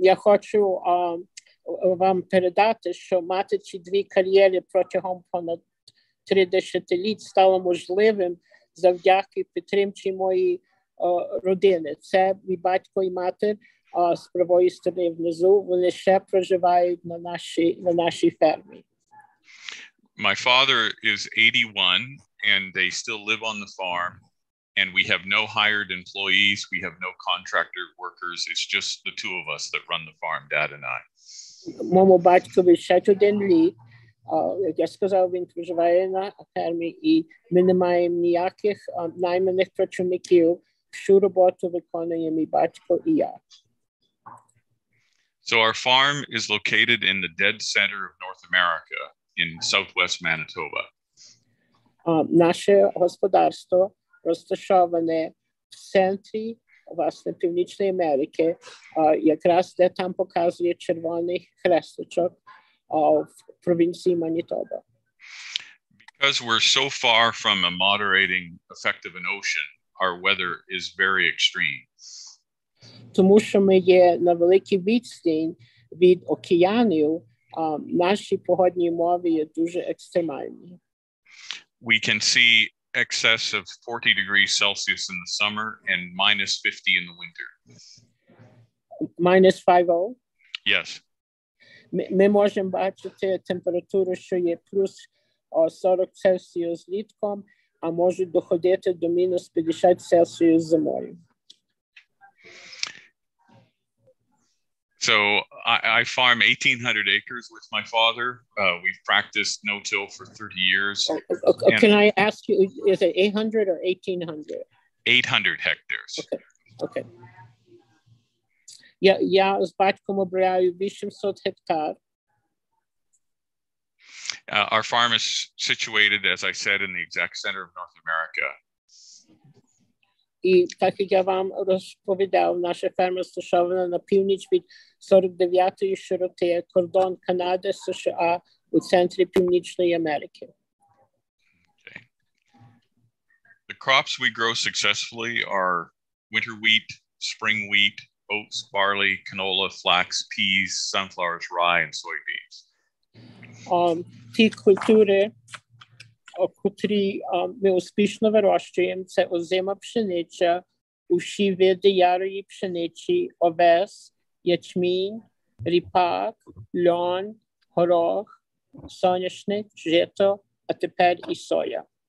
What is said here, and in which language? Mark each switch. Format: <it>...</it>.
<uk>Я хочу вам передати, що мати ці дві кар'єри протягом понад три десятиліть стало можливим завдяки підтримці моєї родини. Це мій батько і мати. З правої сторони внизу, вони ще проживають на нашій фермі.</uk> <en>My father is 81 and they still live on the farm, and we have no hired employees, we have no contractor workers, it's just the two of us that run the farm, dad and I.</en> <uk>Мому батькові 61 рік, я сказав, він проживає на фермі, і ми не маємо ніяких найманих працівників, всю роботу виконує мій батько і я.</uk> <en>So our farm is located in the dead center of North America in southwest Manitoba.</en> <uk>Наше господарство розташоване в центрі, власне, Північної Америки, якраз де там показує червоний хресточок в провінції Манітоба.</uk> <en>Because we're so far from a moderating effect of an ocean, our weather is very extreme.</en> <uk>Тому що ми є на великій відстані від океанів, наші погодні умови є дуже екстремальні.</uk> <en>We can see excess of 40 degrees Celsius in the summer and minus 50 in the winter.</en> <uk>-50?</uk> <en>Yes.</en> <uk>Ми можемо бачити температуру, що є плюс 40 Celsius літком, а може доходити до мінус 50 Celsius зимою.</uk> <en>So I farm 1,800 acres with my father. We've practiced no-till for 30 years. Can I ask you, is it 800 or 1,800? 800 hectares. Okay. Okay.</en> <uk>Yeah, я з батьком обробляю 800 гектар.</uk> <en>Our farm is situated, as I said, in the exact center of North America.</en> <uk>І так, як я вам розповідав, наша ферма стосована на північ від 49-ї широти, кордон Канади, США, у центрі Північної Америки.</uk> <en>Okay. The crops we grow successfully are winter wheat, spring wheat, oats, barley, canola, flax, peas, sunflowers, rye, and soybeans.</en> <uk>Ті культури, котрі ми успішно вирощуємо, це озима пшениця, усі види ярої пшениці, овес, ячмінь, ріпак, льон, горох, соняшник, жито, а тепер і соя.</uk>